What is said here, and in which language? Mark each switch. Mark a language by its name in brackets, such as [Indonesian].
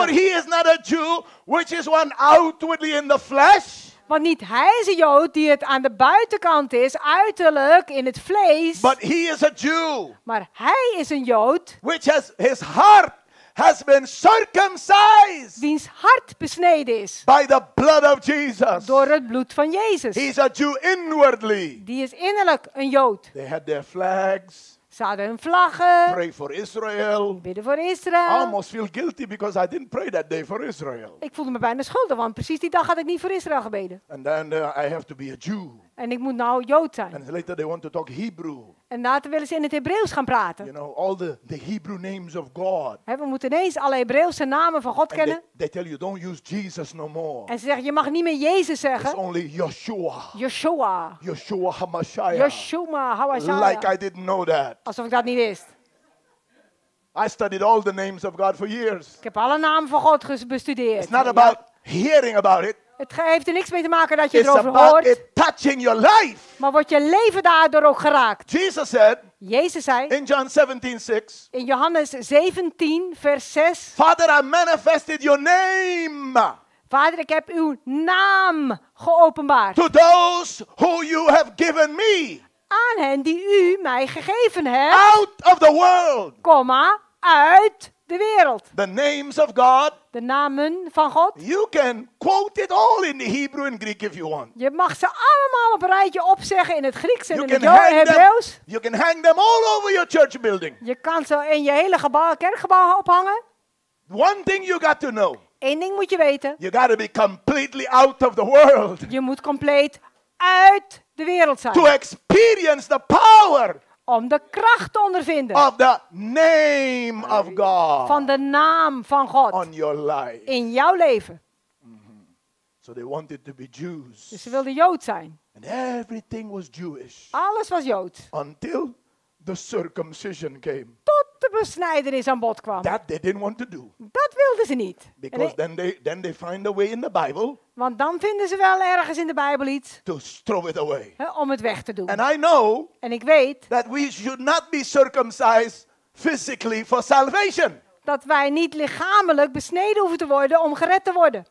[English] For he is not a Jew, which is one outwardly in the flesh. [Dutch] Want niet hij is een Jood die het aan de buitenkant is, uiterlijk in het vlees. [English] But he is a Jew. [Dutch] Maar hij is een Jood. [English] Which has his heart has been circumcised. [Dutch] Wiens hart besneden is. [English] By the blood of Jesus. [Dutch] Door het bloed van Jezus. [English] He is a Jew inwardly. [Dutch] Die is innerlijk een Jood. [English] They had their flags. [Dutch] Ze hadden hun vlaggen. [English] Pray for Israel. [Dutch] Bidden voor Israël. [English] I almost feel guilty because I didn't pray that day for Israel. [Dutch] Ik voelde me bijna schuldig, want precies die dag had ik niet voor Israël gebeden. [English] And then I have to be a Jew. [Dutch] En ik moet nou Jood zijn. [English] And later they want to talk Hebrew. [Dutch] En later willen ze in het Hebreeuws gaan praten. [English] You know, all the Hebrew names of God. [Dutch] We moeten ineens alle Hebreeuwse namen van God kennen. [English] They tell you, don't use Jesus no more. [Dutch] En ze zeggen, je mag niet meer Jezus zeggen. [English] It's only Yeshua. [Dutch] Yeshua. [English] Yeshua HaMashiach. [Dutch] Yeshua HaMashiach. [English] Like I didn't know that. [Dutch] Alsof ik dat niet wist. [English] I studied all the names of God for years. [Dutch] Ik heb alle namen van God bestudeerd. [English] It's not about hearing about it. [Dutch] Het heeft er niks mee te maken dat je [English] it's [Dutch] erover hoort. [English] It touching your life. [Dutch] Maar wordt je leven daardoor ook geraakt? [English] Jesus said, [Dutch] Jezus zei [English] in, John 17, 6, [Dutch] in Johannes 17, vers 6. [English] Father, I manifested your name. [Dutch] Vader, ik heb uw naam geopenbaard. [English] To those who you have given me. [Dutch] Aan hen die u mij gegeven hebt. [English] Out of the world. [Dutch] Komma, uit de wereld. [English] The names of God. [Dutch] De namen van God. [English] You can quote it all in the Hebrew and Greek if you want. [Dutch] Je mag ze allemaal op een rijtje opzeggen in het Grieks en in het Hebreeuws. [English] You can hang them all over your church building. [Dutch] Je kan ze in je hele kerkgebouw ophangen. [English] One thing you got to know. [Dutch] Eén ding moet je weten. [English] You got to be completely out of the world. [Dutch] Je moet compleet uit de wereld zijn. [English] To experience the power. [Dutch] Om de kracht te ondervinden. [English] Of the name of God. [Dutch] Van de naam van God. [English] On your life. [Dutch] In jouw leven. Mm-hmm. [English] So they wanted to be Jews. [Dutch] Dus ze wilden Jood zijn. [English] And everything was Jewish. [Dutch] Alles was Jood. [English] Until the circumcision came. [Dutch] Tot de besnijdenis aan bod kwam. [English] That they didn't want to do. [Dutch] Dat wilden ze niet. [English] Because then they find a way in the Bible. [Dutch] Want dan vinden ze wel ergens in de Bijbel iets. [English] To throw it away. [Dutch] Hè, om het weg te doen. [English] And I know. [Dutch] En ik weet. [English] That we should not be circumcised physically for salvation. [Dutch] Dat wij niet lichamelijk besneden hoeven te worden om gered te worden.